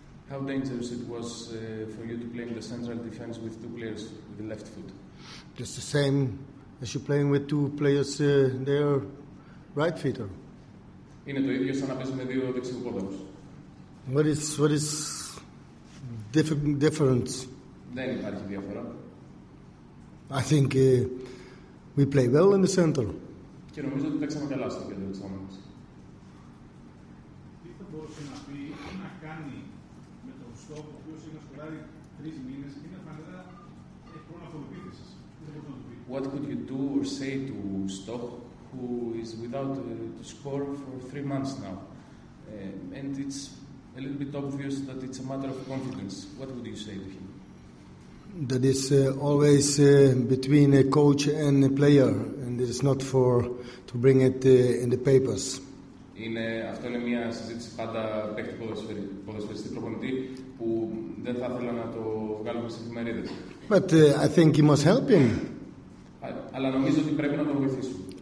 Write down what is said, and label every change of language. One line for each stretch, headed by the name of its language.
English: How dangerous it was for you to play in the central defense with two players with the left foot? Just the same. As you're playing with two players, they are right footer.
Greek: Είναι το ίδιο σαν να παίζεις με δύο δεξιοπόδαρους.
English: What is difference?
Greek: Δεν υπάρχει διαφορά.
English: I think we play well in the center.
Greek: Και νομίζω ότι παίξαμε καλά στο κέντρο της άμυνας. Τι θα μπορούσε να πει ή να κάνει με τον στόχο που είχε σκοράρει 3 μήνες και είναι φανερά χρόνο αυτοποίθησης.
English: What could you do or say to Stoch, who is without to score for 3 months now? And it's a little bit obvious that it's a matter of confidence. What would you say to him? That is always between a coach and a player, and it's not for to bring it in the papers.
Greek: Αυτό είναι μια συζήτηση πάντα παίκτη ποδοσφαιριστή προπονητή που δεν θα ήθελα να το βγάλουμε στις εφημερίδες.
English: But I think he must help him.
Greek: Αλλά νομίζω ότι πρέπει να τον βοηθήσουμε.